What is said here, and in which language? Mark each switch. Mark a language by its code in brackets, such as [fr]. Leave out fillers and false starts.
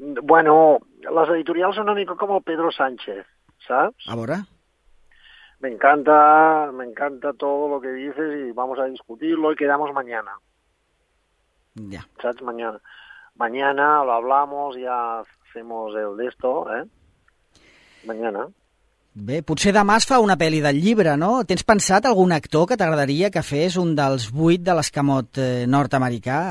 [ca] Bueno, les editorials són una mica com el Pedro Sánchez, saps? A veure. [es] Me encanta todo lo que dices y vamos a discutirlo y quedamos mañana. Ya. [ca] Saps? [es] Mañana lo hablamos, ya hacemos el de esto, Mañana. [ca] Bé, potser demà es fa una pel·li del llibre, no? Tens pensat algun actor que t'agradaria que fes un dels vuit de l'escamot nord-americà?